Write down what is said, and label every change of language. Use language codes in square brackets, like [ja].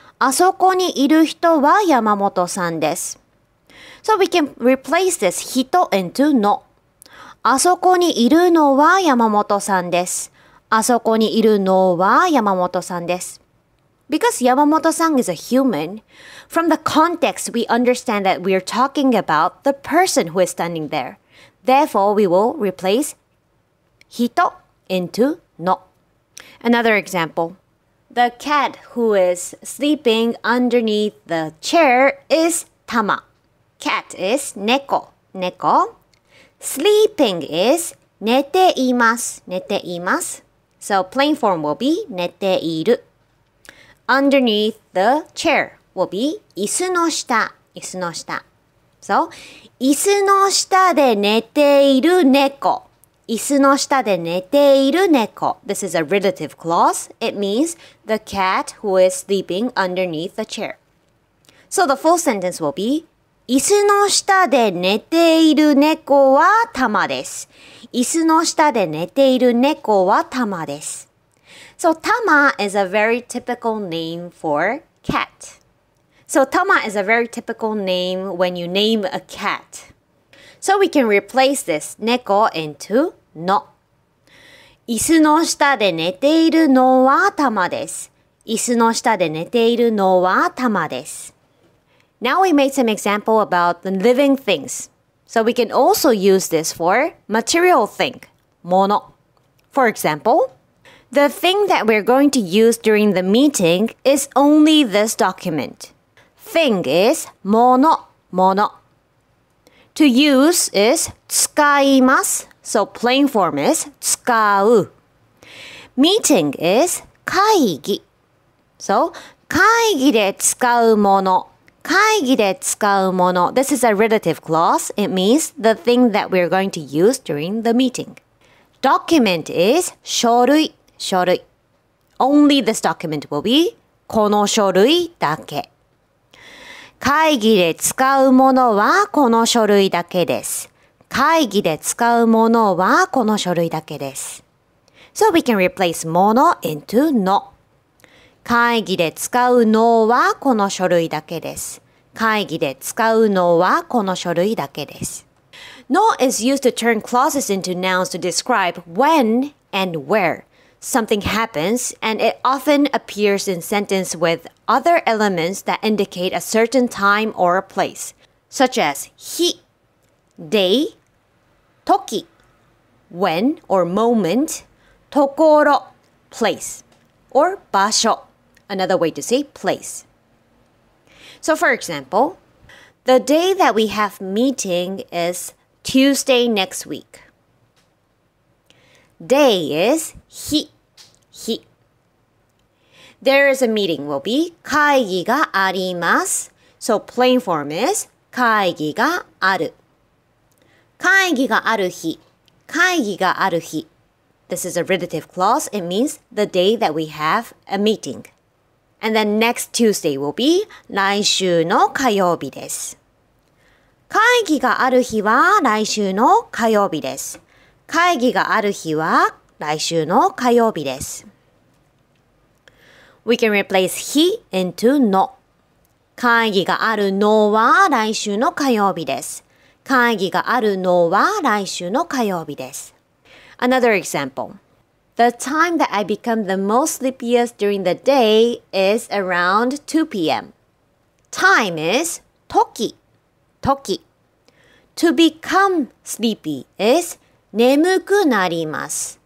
[ja] あそこにいる人は山本さんです。 [en] So we can replace this 人 into の。 [ja] あそこにいるのは山本さんです。あそこにいるのは山本さんです。 [en] Because 山本さん is a human, from the context we understand that we are talking about the person who is standing there. Therefore, we will replace 人 into の。Another example. The cat who is sleeping underneath the chair is たま。 Cat is 猫, 猫.Sleeping is 寝ています, 寝ています. So plain form will be 寝ている.Underneath the chair will be [ja] 椅子の下, 椅子の下. So, 椅子の下で寝ている猫。椅子の下で寝ている猫。 [en] This is a relative clause. It means the cat who is sleeping underneath the chair. So the full sentence will be [ja] 椅子の下で寝ている猫はタマです。椅子の下で寝ている猫はタマです。 [en] So Tama is a very typical name for cat. So Tama is a very typical name when you name a cat. So we can replace this 猫 into の。 [ja] 椅子の下で寝ているのはタマです。椅子の下で寝ているのはタマです。 [en] Now we made some example about the living things. So we can also use this for material thing, もの。 For example,The thing that we're going to use during the meeting is only this document. Thing is もの、もの。To use is 使います。 So plain form is 使う。Meeting is 会議。 [ja] So 会議で使うもの、会議で使うもの。 [en] This is a relative clause. It means the thing that we're going to use during the meeting. Document is 書類。書類 Only this document will be [ja] この書類だけ会議で使うものはこの書類だけです会議で使うものはこの書類だけです [en] So we can replace もの into の [ja] 会議で使うのはこの書類だけです会議で使うのはこの書類だけです [en] の is used to turn clauses into nouns to describe when and whereSomething happens, and it often appears in sentence with other elements that indicate a certain time or a place, such as 日, day, 時, when or moment, [ja] ところ, [en] place, or 場所, another way to say place. So for example, the day that we have meeting is Tuesday next week. Day is 日日 There is a meeting will be [ja] 会議があります [en] So plain form is [ja] 会議がある会議がある日会議がある日 [en] This is a relative clause. It means the day that we have a meeting. And then next Tuesday will be [ja] 来週の火曜日です会議がある日は来週の火曜日です会議がある日は来週の火曜日です。 [en] We can replace 日 into の。 [ja] 会議があるのは来週の火曜日です。会議があるのは来週の火曜日です。 [en] Another example. The time that I become the most sleepiest during the day is around 2 p.m. Time is [ja] 時。時。 [en] To become sleepy is 眠くなります。